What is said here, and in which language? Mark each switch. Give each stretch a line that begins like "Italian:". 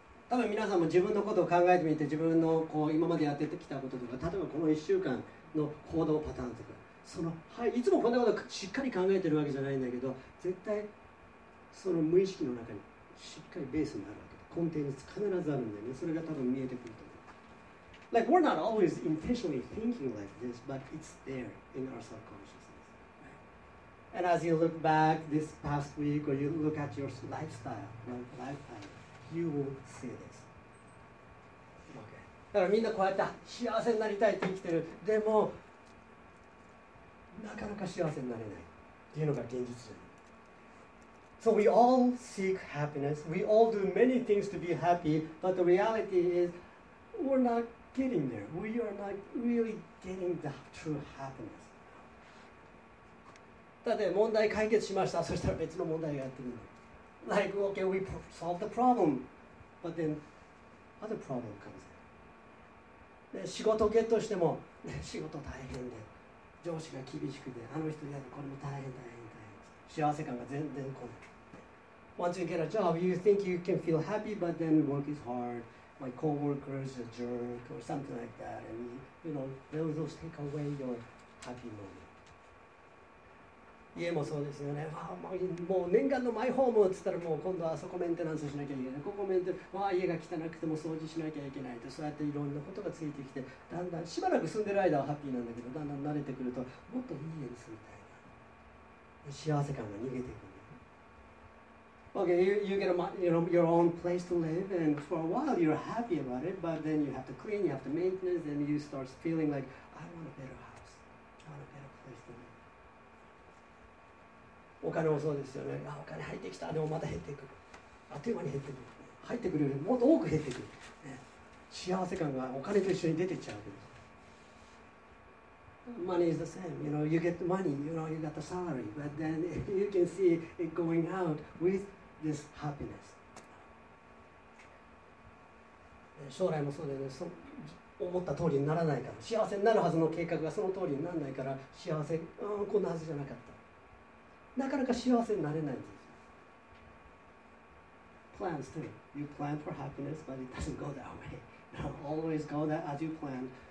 Japanese: 多分皆さんも自分のことを考えてみて、自分のこう今までやってきたこととか、例えばこの1週間の行動パターンとか、その、はい、いつもこんなことしっかり考えてるわけじゃないんだけど、絶対その無意識の中にしっかりベースになるわけで、根底に必ずあるんだよね。それが多分見えてくると思う。
English: Like, we're not always intentionally thinking like this, but it's there in our subconsciousness. And as you look back this past week, or you look at your lifestyle,You will say this.
Japanese: Okay. だからみんなこうやって幸せになりたいって生きてる。でもなかなか幸せになれないっていうのが現実じゃない。
English: So we all seek happiness. We all do many things to be happy. But the reality is, we're not getting there. We are not really getting the true happiness.
Japanese: だって問題解決しました。そしたら別の問題がやってくる。
English: Like, okay, we solve the problem, but then other problem comes in.
Japanese: 仕事をゲットしても、仕事大変で、上司が厳しくて、あの人やる、これも大変大変大変。幸せ感が全然来ない。
English: Once you get a job, you think you can feel happy, but then work is hard. My coworker is a jerk or something like that. And you know, those take away your happy moment.
Japanese: 家もそうですよね。もう念願のマイホームって言ったら、もう今度はあそこメンテナンスしなきゃいけない。ここメンテナンス、家が汚くても掃除しなきゃいけないと。そうやっていろんなことがついてきて、だんだんしばらく住んでる間はハッピーなんだけど、だんだん慣れてくると、もっといい家に住みたいな。幸せ感が逃げていく。
English: Okay, you get a, you know, your own place to live, and for a while you're happy about it, but then you have to clean, you have to maintenance, and you start feeling like, I want a better house. I want a better place to live.
Japanese: お金もそうですよね。あ、お金入ってきた。でもまた減ってくる。あっという間に減ってくる。入ってくるよりもっと多く減ってくる。ね、幸せ感がお金と一緒に出てっちゃうわけです。
English: Money is the same. You know, you get the money, you know, you got the salary, but then you can see it going out with this happiness.
Japanese: 将来もそうだよね。思った通りにならないから。幸せになるはずの計画がその通りにならないから、幸せ、こんなはずじゃなかった。なかなか幸せになれないんです。
English: Plans too. You plan for happiness, but it doesn't go that way. You know, always go that as you plan.